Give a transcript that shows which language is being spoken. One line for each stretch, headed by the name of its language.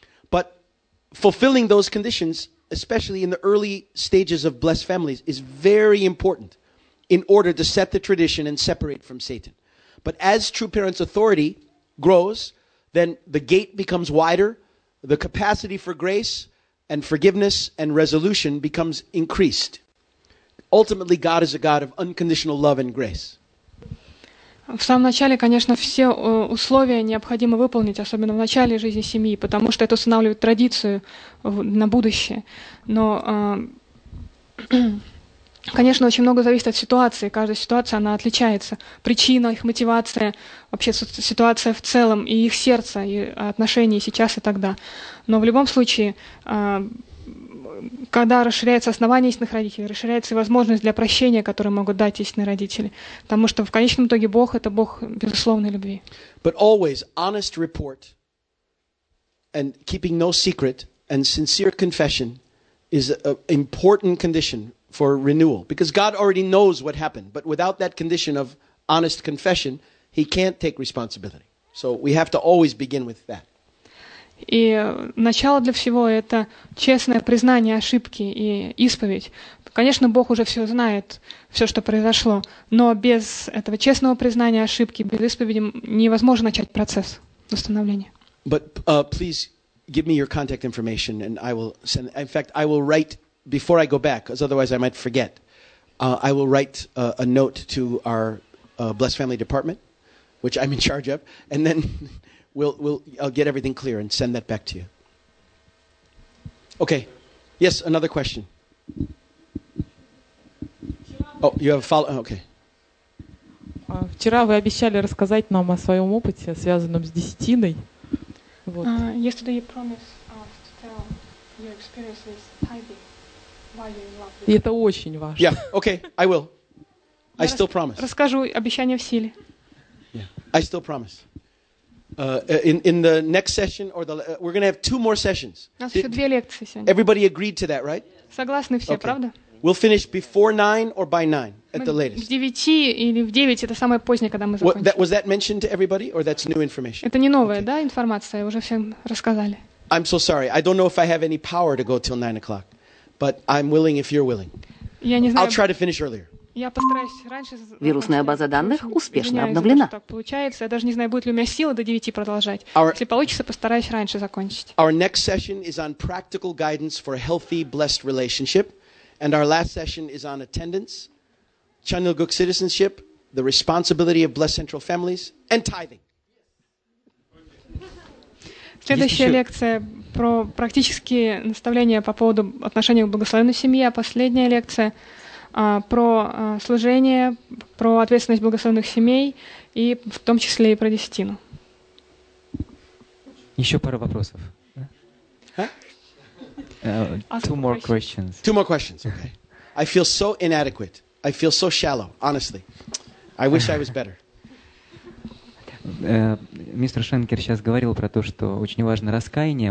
English: But fulfilling those conditions, especially in the early stages of blessed families, is very important in order to set the tradition and separate from Satan. But as true parents' authority grows, then the gate becomes wider, the capacity for grace and forgiveness and resolution becomes increased. Ultimately, God is a God of unconditional love and grace.
Russian: В самом начале, конечно, все условия необходимо выполнить, особенно в начале жизни семьи, потому что это устанавливает традицию на будущее. Но, конечно, очень много зависит от ситуации. Каждая ситуация, она отличается. Причина, их мотивация, вообще ситуация в целом, и их сердце, и отношения сейчас, и тогда. Но в любом случае, когда расширяется основание истинных родителей, расширяется и возможность для прощения, которую могут дать истинные родители. Потому что в конечном итоге Бог — это Бог безусловной любви.
English: But always honest report and keeping no secret and sincere confession is an important condition for renewal. Because God already knows what happened. But without that condition of honest confession, he can't take responsibility. So we have to always begin with that.
Russian: И начало для всего — это честное признание ошибки и исповедь. Конечно, Бог уже все знает, все, что произошло, но без этого честного признания ошибки, без исповеди невозможно начать процесс восстановления.
English: But please give me your contact information, and I will send. In fact, I will write before I go back, because otherwise I might forget. I will write a note to our Blessed Family Department, which I'm in charge of, and then. I'll get everything clear and send that back to you. Okay. Yes, another question. Oh, you have a follow-up? Okay.
Russian: В вчера вы обещали рассказать нам о своем опыте, связанном с десятиной. Вот.
English: Yesterday you promised to tell your experience with tithing. Why you love it?
Russian: И это очень важно.
English: Yeah, okay, I will. I still promise.
Russian: Расскажу, обещание в силе.
English: Yeah, I still promise. In the next session or the we're going to have two more sessions.
Russian: У нас еще две лекции сегодня.
English: Everybody agreed to that, right?
Russian: Согласны все, правда?
English: We'll finish before 9 or by 9 at the latest.
Russian: В 9 или в 9 это самое позднее, когда мы закончим.
English: What, was that mentioned to everybody or that's new information?
Russian: Это не новая, okay. Да, информация, уже всем рассказали.
English: I'm so sorry. I don't know if I have any power to go till 9 o'clock. But I'm willing if you're willing.
Russian: Я не знаю.
English: I'll try to finish earlier.
Russian: Я постараюсь раньше. Вирусная база данных успешно обновлена. Так получается, я даже не знаю, будет ли у меня сила до 9 продолжать. Если получится, постараюсь раньше закончить.
English: Our next session is on practical guidance for a healthy, blessed relationship. And our last session is on attendance, Chanilguk citizenship, the responsibility of blessed central families, and tithing.
Russian: Следующая лекция про практические наставления по поводу отношений к благословенной семье, а последняя лекция про служение, про ответственность благословенных семей и в том числе и про десятину. Еще пару вопросов.
English: Two more questions. Two more questions. Okay. I feel so inadequate. I feel so shallow. Honestly, I wish I was better.
Russian: Мистер Шенкер сейчас говорил про то, что очень важно раскаяние.